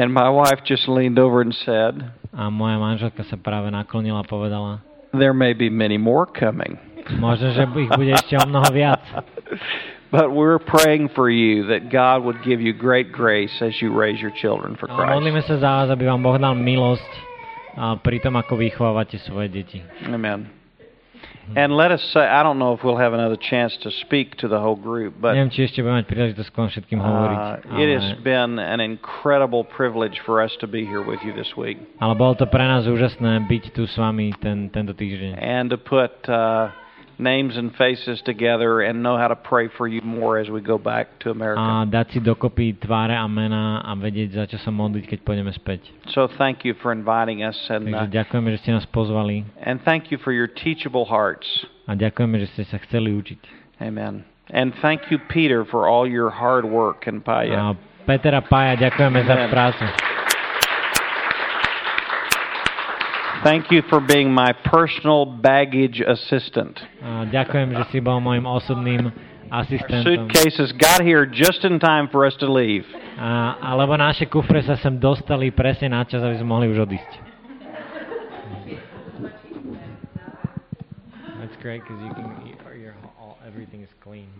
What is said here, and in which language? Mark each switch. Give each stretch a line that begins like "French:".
English: And my wife just leaned over and said,
Slovak: a moja manželka sa práve naklonila a povedala,
English: there may be many more coming.
Slovak: Možno, že ich bude ešte o mnoho viac.
English: But we're praying for you that God would give you great grace as you raise your children for Christ.
Slovak: Modlíme sa za vás, aby vám Boh dal milosť a pritom ako vychovávate svoje deti.
English: Amen. And let us say, I don't know if we'll have another chance to speak to the whole group, but
Slovak: neviem, či ešte budeme mať príležitosť kon všetkým hovoriť.
English: It has been an incredible privilege for us to be here with you this week.
Slovak: Ale bolo to pre nás úžasné byť tu s vami tento týždeň.
English: And to put names and faces together and know how to pray for you more as we go back to America.
Slovak: A dať si dokopy tváre a mená a vedieť, za čo sa modliť, keď pôjdeme späť.
English: So thank you for inviting us and
Slovak: ďakujeme, že ste nás pozvali.
English: And thank you for your teachable hearts.
Slovak: A ďakujeme, že ste sa chceli učiť.
English: Amen. And thank you Peter for all your hard work and Paja.
Slovak: A Peter a Paja, ďakujeme za prácu.
English: Thank you for being my personal baggage assistant.
Slovak: Ďakujem, že si bol mojim osobným asistentom.
English: Our suitcases got here just in time for us to leave.
Slovak: Alebo naše kufre sa sem dostali presne na čas, aby sme mohli už odísť.
English: That's great because you can eat your all, everything is clean.